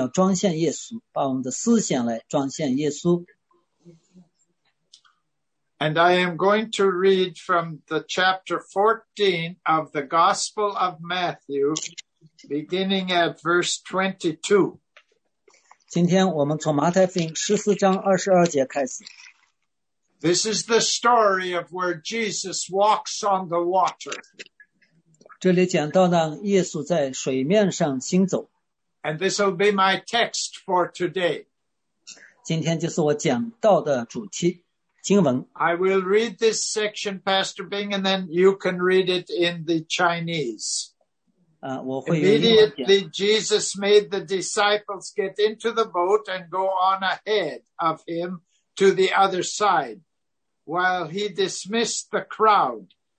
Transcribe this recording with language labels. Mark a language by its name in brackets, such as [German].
[Chinese] 卡牧师就讲到今天的主题呢是把我们眼睛要装现耶稣，把我们的思想来装现耶稣。 [English] And I am going to read from the chapter 14 of the Gospel of Matthew, beginning at verse 22. [Chinese] 今天我们从马太福音14章22节开始。 [English] This is the story of where Jesus walks on the water. [Chinese] 这里讲到呢，耶稣在水面上行走。 [English] And this will be my text for today. [Chinese] 今天就是我讲到的主题经文。 [English] I will read this section, Pastor Bing, and then you can read it in the Chinese. Immediately, Jesus made the disciples get into the boat and go on ahead of him to the other side, while he dismissed the crowd.